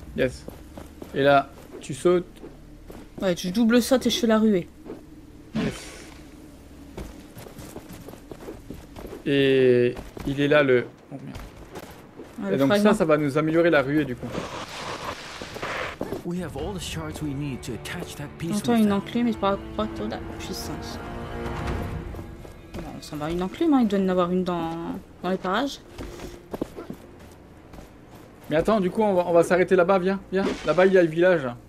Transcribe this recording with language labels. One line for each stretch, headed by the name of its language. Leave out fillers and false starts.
English: Yes.
French: Et là, tu sautes. Ouais, tu double sautes et je fais la ruée.
English: Yes.
French: Et il est là le. Oh, merde. Ah, et donc fragment. Ça va nous améliorer la ruée du coup.
English: We have all the shards we need to attach that piece.
French: On a une enclume, mais pas trop de la puissance. Bon, ça va une enclume, hein. Il doit en avoir une dans les parages. Mais attends, du coup, on va s'arrêter là-bas, viens, viens. Là-bas, il y a le village.